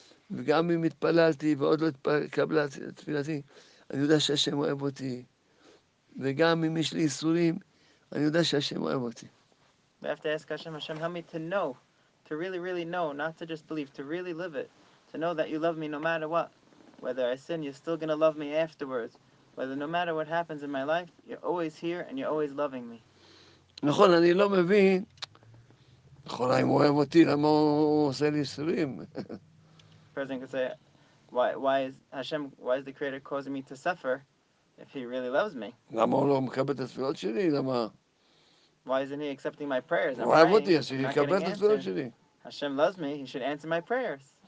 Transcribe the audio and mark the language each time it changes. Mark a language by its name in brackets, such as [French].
[Hebrew] וגם אם התפללתי ועוד לא התקבלתי תפילתי, אני יודע שהשם אוהב אותי. וגם אם יש לי איסורים, אני יודע שהשם אוהב אותי. [English] We have to ask Hashem, Hashem, help me to know, to really, really know, not to just believe, to really live it, to know that you love me no matter what. Whether I sin, you're still going to love me afterwards. Whether no matter what happens in my life, you're always here and you're always loving me. [Hebrew] נכון, אני לא מבין. נכון, אם הוא אוהב אותי, למה הוא עושה לי איסורים? [English] The person could say, why is Hashem, why is the Creator causing me to suffer? If he really loves me. [Hebrew] למה הוא לא מקבל את התפילות שלי? למה? [English] Why isn't he accepting my prayers? [Hebrew] הוא אוהב אותי, אז הוא יקבל את התפילות שלי. [English] Hashem loves me, he should answer my prayers.